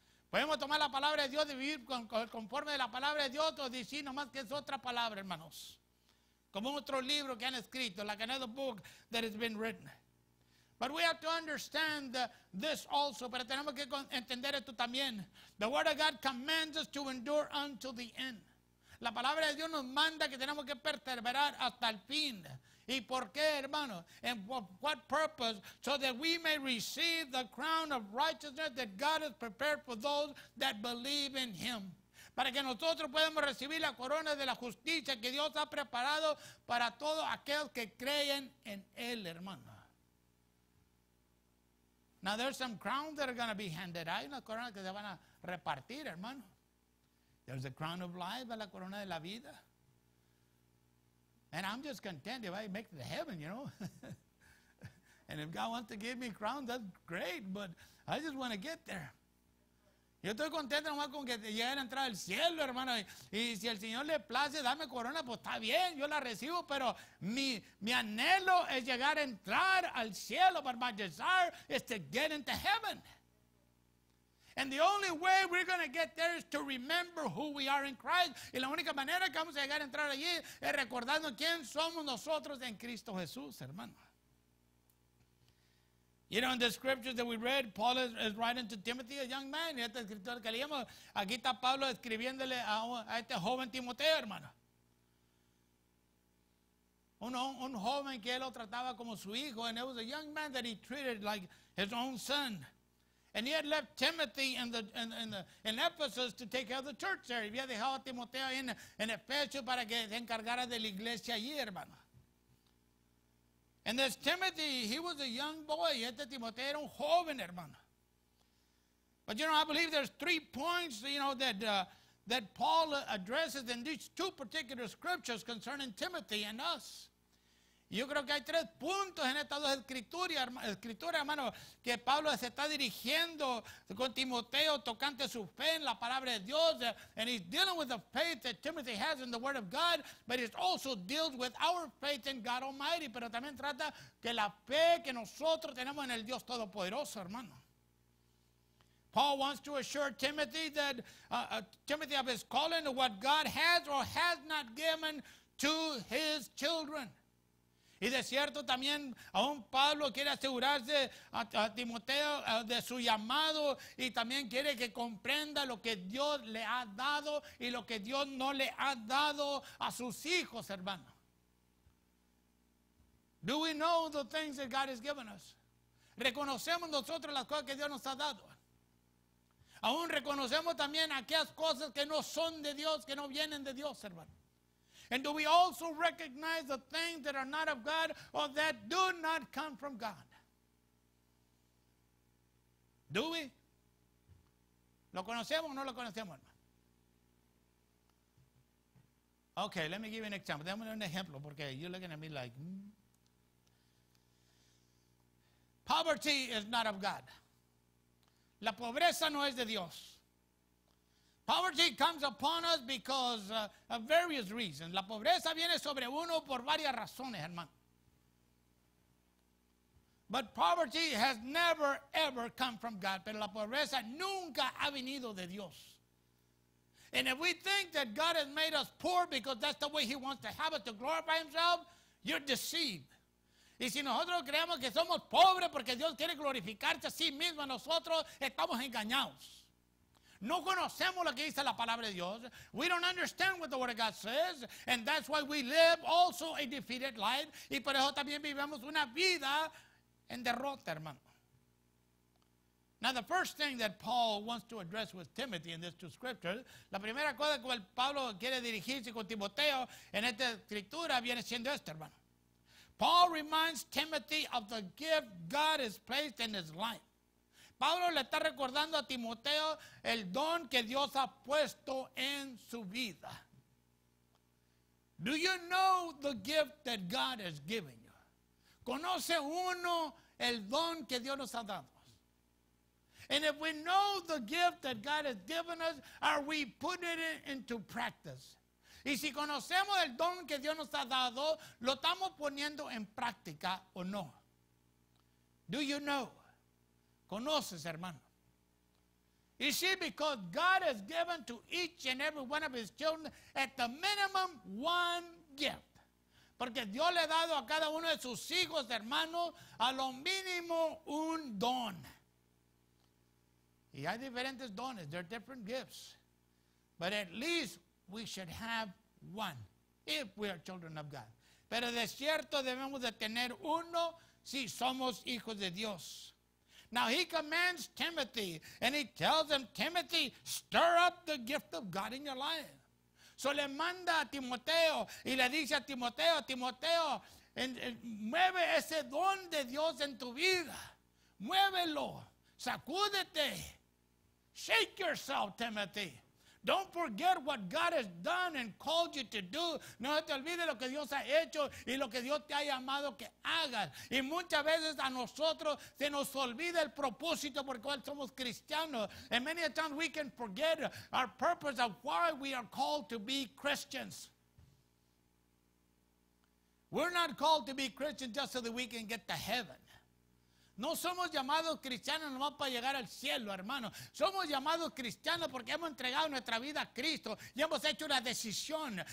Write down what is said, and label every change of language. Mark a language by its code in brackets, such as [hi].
[es] Podemos tomar la palabra de Dios y vivir conforme a la palabra de Dios o decir nomás que es otra palabra, hermanos. Como otro libro que han escrito, [en] like another book that has been written. But we have to understand this also. [es] Pero tenemos que entender esto también. [en] The word of God commands us to endure until the end. [es] La palabra de Dios nos manda que tenemos que perseverar hasta el fin. ¿Y por qué, hermano? [en] And for what purpose? So that we may receive the crown of righteousness that God has prepared for those that believe in Him. [es] Para que nosotros podamos recibir la corona de la justicia que Dios ha preparado para todos aquellos que creen en Él, hermano. [en] Now there's some crowns that are going to be handed out. [es] Una corona que se van a repartir, hermano. [en] There's the crown of life, [es] la corona de la vida. [en] And I'm just content if I make it to heaven, you know. And if God wants to give me crowns, that's great, but I just want to get there. [es] Yo estoy contento nomás con que lleguen a entrar al cielo, hermano. Y si el Señor le place, dame corona, pues está bien, yo la recibo. Pero mi anhelo es llegar a entrar al cielo. [en] But my desire is to get into heaven. And the only way we're going to get there is to remember who we are in Christ. [es] Y la única manera que vamos a llegar a entrar allí es recordando quién somos nosotros en Cristo Jesús, hermano. [en] You know, in the scriptures that we read, Paul is writing to Timothy, a young man. [es] Y este escritor que leíamos, aquí está Pablo escribiéndole a este joven Timoteo, hermano. un joven que él lo trataba como su hijo, [en] and it was a young man that he treated like his own son. And he had left Timothy in Ephesus to take care of the church there. [es] Había dejado a Timoteo en Efesio para que se encargara de la iglesia allí, hermano. [en] And this Timothy, he was a young boy. [es] Este Timoteo era un joven, hermano. [en] But you know, I believe there's three points, you know, that Paul addresses in these two particular scriptures concerning Timothy and us. [es] Yo creo que hay tres puntos en estas dos escrituras, hermano, que Pablo se está dirigiendo con Timoteo tocante su fe en la palabra de Dios. [en] And he's dealing with the faith that Timothy has in the word of God, but it also deals with our faith in God Almighty. [es] Pero también trata que la fe que nosotros tenemos en el Dios Todopoderoso, hermano. [en] Paul wants to assure Timothy that Timothy of his calling, what God has or has not given to his children. [es] Y de cierto también aún Pablo quiere asegurarse a Timoteo de su llamado y también quiere que comprenda lo que Dios le ha dado y lo que Dios no le ha dado a sus hijos, hermano. [en] Do we know the things that God has given us? [es] ¿Reconocemos nosotros las cosas que Dios nos ha dado? Aún reconocemos también aquellas cosas que no son de Dios, que no vienen de Dios, hermano. [en] And do we also recognize the things that are not of God or that do not come from God? Do we? [es] ¿Lo conocemos o no lo conocemos, hermano? [en] Okay, let me give you an example. [es] Déjame un ejemplo porque [en] you're looking at me like, Poverty is not of God. [es] La pobreza no es de Dios. [en] Poverty comes upon us because of various reasons. [es] La pobreza viene sobre uno por varias razones, hermano. [en] But poverty has never, ever come from God. [es] Pero la pobreza nunca ha venido de Dios. [en] And if we think that God has made us poor because that's the way he wants to have us to glorify himself, you're deceived. [es] Y si nosotros creemos que somos pobres porque Dios quiere glorificarse a sí mismo, nosotros estamos engañados. No conocemos lo que dice la palabra de Dios. [en] We don't understand what the word of God says. And that's why we live also a defeated life. [es] Y por eso también vivimos una vida en derrota, hermano. [en] Now the first thing that Paul wants to address with Timothy in these two scriptures. [es] La primera cosa que Pablo quiere dirigirse con Timoteo en esta escritura viene siendo esta, hermano. [en] Paul reminds Timothy of the gift God has placed in his life. [es] Pablo le está recordando a Timoteo el don que Dios ha puesto en su vida. [en] Do you know the gift that God has given you? [es] ¿Conoce uno el don que Dios nos ha dado? [en] And if we know the gift that God has given us, are we putting it into practice? [es] Y si conocemos el don que Dios nos ha dado, ¿lo estamos poniendo en práctica o no? [en] Do you know? [es] Conoces, hermano. [en] You see, because God has given to each and every one of his children at the minimum one gift. [es] Porque Dios le ha dado a cada uno de sus hijos, hermano, a lo mínimo un don. Y hay diferentes dones. [en] There are different gifts. But at least we should have one if we are children of God. [es] Pero de cierto debemos de tener uno si somos hijos de Dios. [en] Now he commands Timothy and he tells him, Timothy, stir up the gift of God in your life. [es] So le manda a Timoteo y le dice a Timoteo, Timoteo, mueve ese don de Dios en tu vida. Muévelo, sacúdete. [en] Shake yourself, Timothy. Don't forget what God has done and called you to do. [es] No te olvides lo que Dios ha hecho y lo que Dios te ha llamado que hagas. Y muchas veces a nosotros se nos olvida el propósito por el cual somos cristianos. [en] And many a time we can forget our purpose of why we are called to be Christians. We're not called to be Christians just so that we can get to heaven. [es] No somos llamados cristianos nomás para llegar al cielo, hermano. Somos llamados cristianos porque hemos entregado nuestra vida a Cristo y hemos hecho una decisión.